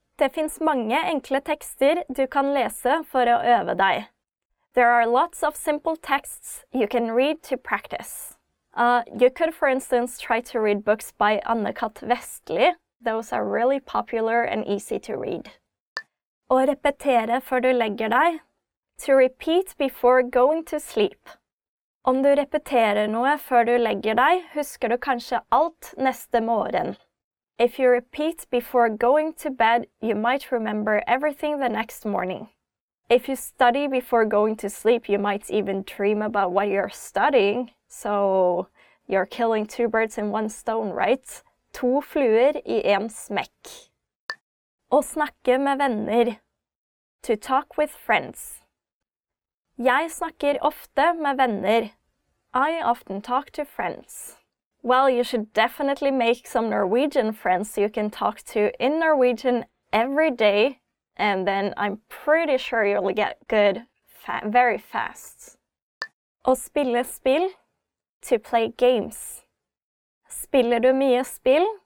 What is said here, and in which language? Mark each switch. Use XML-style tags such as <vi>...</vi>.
<no>Det finnes mange enkle tekster du kan lese for å øve deg.</no> <en>There are lots of simple texts you can read to practice. You could, for instance, try to read books by Anne-Kat Vestli. Those are really popular and easy to read.</en> <no>Å repetere før du legger deg.</no> <en>To repeat before going to sleep.</en> <no>Om du repeterer noe før du legger deg, husker du kanskje alt neste morgen.</no> <en>If you repeat before going to bed, you might remember everything the next morning. If you study before going to sleep, you might even dream about what you're studying. So you're killing two birds in one stone, right?</en> <no>To fluer I en smekk. Å snakke med venner.</no> <en>To talk with friends.</en> <no>Jeg snakker ofte med venner.</no> <en>I often talk to friends. Well, you should definitely make some Norwegian friends you can talk to in Norwegian every day, and then I'm pretty sure you'll get good very fast.</en> <no>Å spille spill.</no> <en>To play games.</en> <no>Spiller du mye spill?</no>